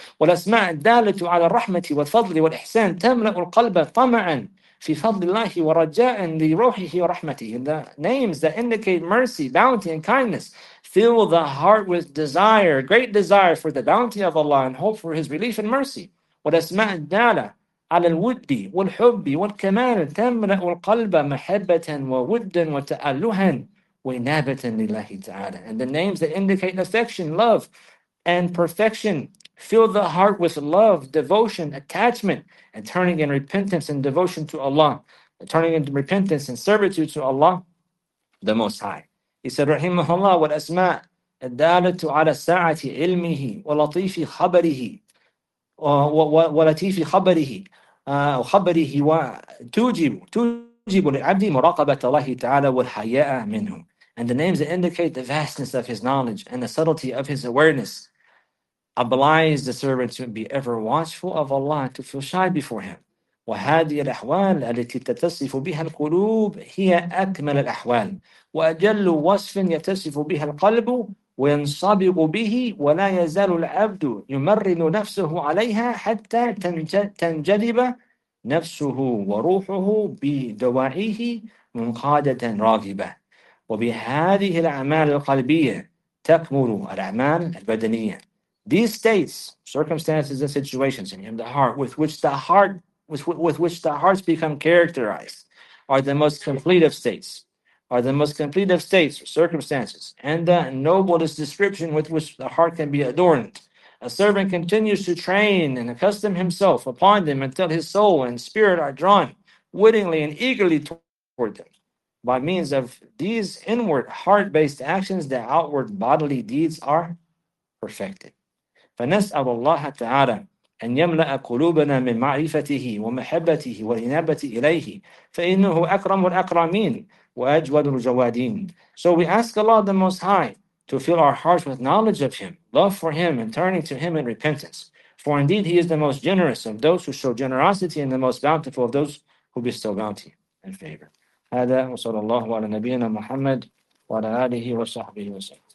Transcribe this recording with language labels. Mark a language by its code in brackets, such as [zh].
[ar] وَالْأَسْمَاءُ الدَّالَةُ عَلَى الرَّحْمَةِ وَالْفَضْلِ وَالْإِحْسَانِ تَمْلَأُ الْقَلْبَ طَمَعًا فِي فَضْلِ اللَّهِ وَرَجَاءً لِرُوحِهِ وَرَحْمَتِهِ. [en] And the names that indicate mercy, bounty, and kindness fill the heart with desire, great desire for the bounty of Allah and hope for His relief and mercy. [ar] وَالْأَسْمَاءُ الدَّالَةُ على الود والحب والكمال تملأ القلب محبة وودا وتألها وإنابة لله تعالى. [en] And the names that indicate affection, love, and perfection fill the heart with love, devotion, attachment, and turning in repentance and devotion to Allah, turning in repentance and servitude to Allah, the Most High. He said, [ar] رحمه الله والأسماء الدالة على ساعة علمه ولطيف خبره ولطيف خبره وخبره وتوجب للعبد مراقبة الله تعالى والحياء منه. [en] And the names that indicate the vastness of his knowledge and the subtlety of his awareness oblige the servant to be ever watchful of Allah to feel shy before him. [ar] وهذه الأحوال التي تتصف بها القلوب هي أكمل الأحوال وأجل وصف يتصف بها القلب وينصبغ به ولا يزال العبد يمرن نفسه عليها حتى تنجذب نفسه وروحه بدواعيه منقادة راغبة وبهذه الأعمال القلبية تكمل الأعمال البدنية. [en] These states, circumstances and situations in the heart with which the hearts become characterized are the most complete of states. Are the most complete of states or circumstances and the noblest description with which the heart can be adorned. A servant continues to train and accustom himself upon them until his soul and spirit are drawn wittingly and eagerly toward them. By means of these inward heart-based actions, the outward bodily deeds are perfected. [ar] فنسأل الله تعالى أن يملأ قلوبنا من معرفته ومحبته والإنابة إليه فإنه أكرم الأكرمين. [en] So we ask Allah the Most High to fill our hearts with knowledge of Him, love for Him, and turning to Him in repentance. For indeed He is the most generous of those who show generosity and the most bountiful of those who bestow bounty and favor. [ar] هذا وصلى الله على نبينا محمد وعلى آله وصحبه وسلم.